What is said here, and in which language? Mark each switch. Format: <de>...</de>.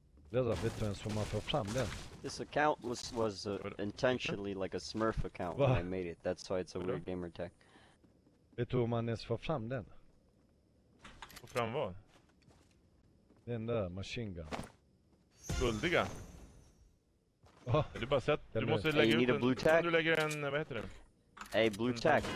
<sv>Det är bättre än som man får fram den.</sv> <en>This account was intentionally like a Smurf account when I made it. That's why it's a weird gamer tech.</en> <sv>Vet du om man ens får fram den? Får fram vad? Den där machine gun. Skuldiga? Du bara sett, du måste lägga ut blue tack. Du lägger en, vad heter det?</sv> <en>Hey, blue tack.</en>